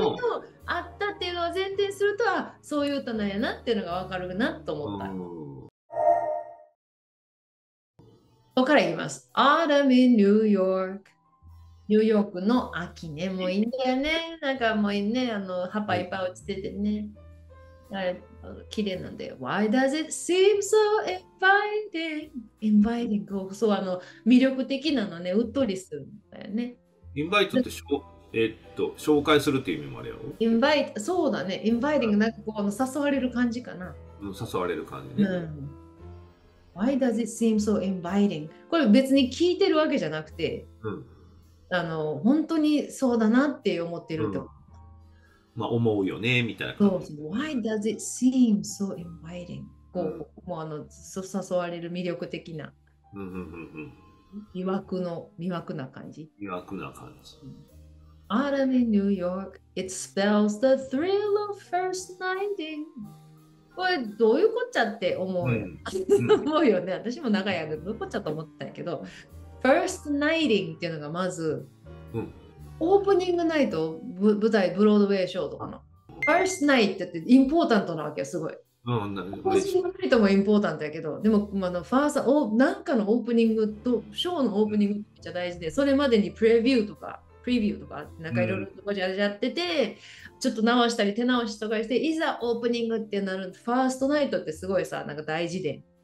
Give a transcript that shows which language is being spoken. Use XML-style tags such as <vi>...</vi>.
<ja>れとあったっていうのを前提すると、あ、そういう歌なんやなっていうのが分かるなと思った。ここから言います。Autumn in New York。ニューヨークの秋ね、もういいんだよね。なんかもういいね、あの葉っぱいっぱい落ちててね、あれ綺麗なんで。</ja> <en>Why does it seem so inviting?</en> <ja>Inviting を、そう、あの魅力的なのね、うっとりするんだよね。インバイトって紹介するっていう意味もあるよ。インバイト、そうだね、インバイティング、なんかこう誘われる感じかな。うん、誘われる感じね、うん。</ja> <en>Why does it seem so inviting?</en> <ja>これ別に聞いてるわけじゃなくて、うん、あの本当にそうだなって思ってると。うん、まあ、思うよねみたいな感じ。そう、</ja> <en>Why does it seem so inviting?</en> <ja>こう、うん、もうあの誘われる魅力的な、うんうんうんうん、魅惑な感じ。魅惑な感じ。</ja> <en>Autumn in New York, it spells the thrill of first nighting.</en> <ja>これどういうこっちゃって思う、うん、思うよね。私も長い間どういうこっちゃと思ったけど、 First nighting っていうのがまず、うん、オープニングナイト、舞台、ブロードウェイショーとかの。 First night ってインポータントなわけよ、すごい。オープニングナイトもインポータントやけど、でも、まあの、ファーストなんかのオープニングと、ショーのオープニングめっちゃ大事で、それまでにプレビューとか、なんかいろいろとこじゃやってて、うん、ちょっと直したり手直しとかして、いざオープニングってなる、ファーストナイトってすごいさ、なんか大事で。</ja>